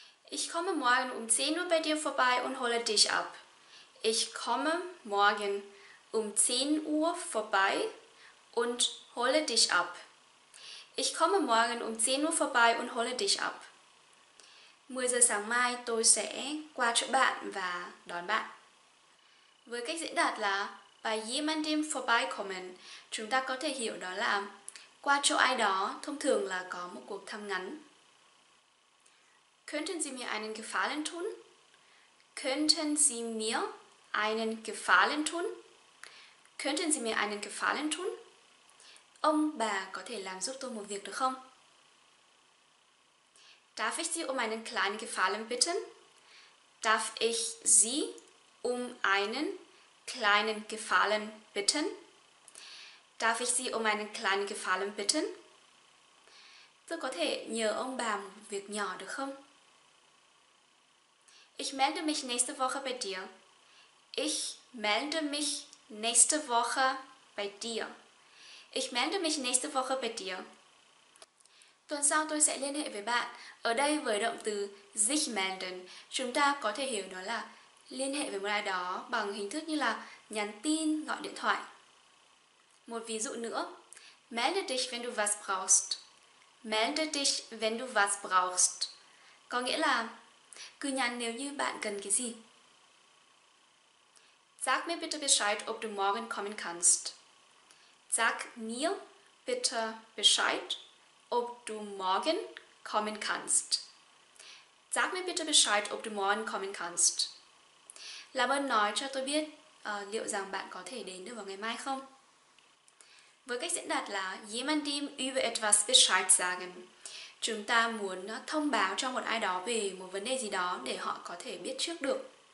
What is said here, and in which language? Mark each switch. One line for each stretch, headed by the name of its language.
German: Ich komme morgen um 10 Uhr bei dir vorbei und hole dich ab. Ich komme morgen um 10 Uhr vorbei und hole dich ab. Ich komme morgen um 10 Uhr vorbei und hole dich ab.
Vietnamese: 10 giờ sáng mai tôi sẽ qua chỗ bạn và đón bạn. Với cách diễn đạt là
German: bei jemandem vorbeikommen,
Vietnamese: chúng ta có thể hiểu đó là qua chỗ ai đó, thông thường là có một cuộc thăm ngắn.
German: Könnten Sie mir einen Gefallen tun? Könnten Sie mir einen Gefallen tun? Könnten Sie mir einen Gefallen tun?
Vietnamese: Ông bà có thể làm giúp tôi một việc được không?
German: Darf ich Sie um einen kleinen Gefallen bitten? Darf ich Sie um einen kleinen Gefallen bitten? Darf ich Sie um einen kleinen Gefallen bitten?
Vietnamese: Tôi có thể nhờ ông bà một việc nhỏ được không?
German: Ich melde mich nächste Woche bei dir. Ich melde mich nächste Woche bei dir. Ich melde mich nächste Woche bei dir.
Vietnamese: Tuần sau tôi sẽ liên hệ với bạn. Ở đây với động từ sich melden, chúng ta có thể hiểu nó là liên hệ với một ai đó bằng hình thức như là nhắn tin, gọi điện thoại. Một ví dụ nữa.
German: Melde dich, wenn du was brauchst. Melde dich, wenn du was brauchst.
Vietnamese: Có nghĩa là cứ nhắn nếu như bạn cần cái gì.
German: Sag mir bitte Bescheid, ob du morgen kommen kannst. Sag mir bitte Bescheid, ob du morgen kommen kannst. Sag mir bitte Bescheid, ob du morgen kommen kannst.
Vietnamese: Làm ơn nói cho tôi biết liệu rằng bạn có thể đến được vào ngày mai không? Với cách diễn đạt là
German: jemandem über etwas Bescheid sagen.
Vietnamese: Chúng ta muốn thông báo cho một ai đó về một vấn đề gì đó để họ có thể biết trước được.